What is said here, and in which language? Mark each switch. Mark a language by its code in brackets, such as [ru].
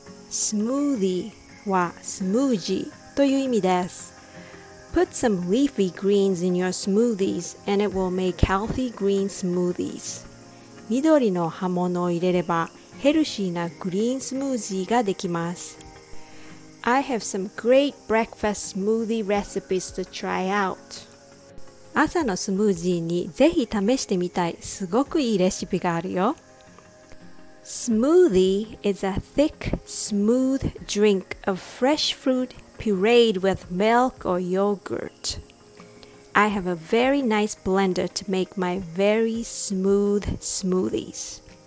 [ja] smoothie はスムージーという意味です。 [en] put some leafy greens in your smoothies and it will make healthy green smoothies。 [ja] 緑の葉物を入れればヘルシーなグリーンスムージーができます。 [en] I have some great breakfast smoothie recipes to try out. [ja] 朝のスムージーにぜひ試してみたい、すごくいいレシピがあるよ。 [en] Smoothie is a thick, smooth drink of fresh fruit pureed with milk or yogurt. I have a very nice blender to make my very smooth smoothies.